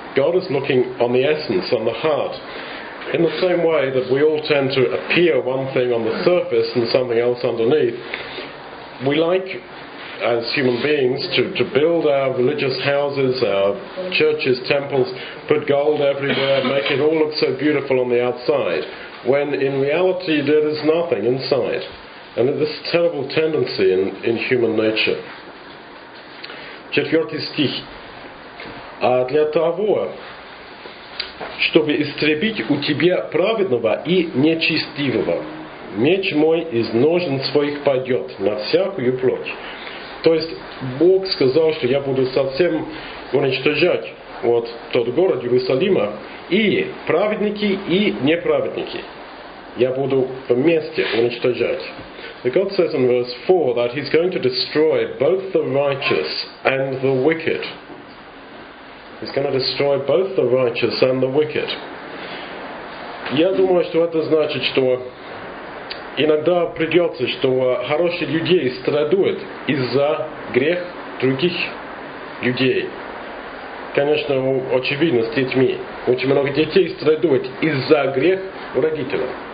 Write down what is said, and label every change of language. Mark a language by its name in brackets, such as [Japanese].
[English] God is looking on the essence, on the heart. In the same way that we all tend to appear one thing on the surface and something else underneath, we like, as human beings, to build our religious houses, our churches, temples, put gold everywhere, make it all look so beautiful on the outside, when in reality there is nothing inside. And this terrible tendency in human nature. [Russian] Четвертый стих. А для того, чтобы истребить у тебя праведного и нечестивого, меч мой из ножен своих пойдет на всякую плоть. То есть Бог сказал, что я буду совсем уничтожать вот тот город Иерусалима и праведники, и неправедники. Я буду вместе уничтожать. [English] The God says in verse 4 that he's going to destroy both the righteous and the wicked. He's going to destroy both the righteous and the wicked. [Russian] Я думаю, что это значит, что иногда придется, что хорошие люди страдают из-за грех других людей. конечно, очевидно с детьми. Очень много детей страдают из-за грех у родителей.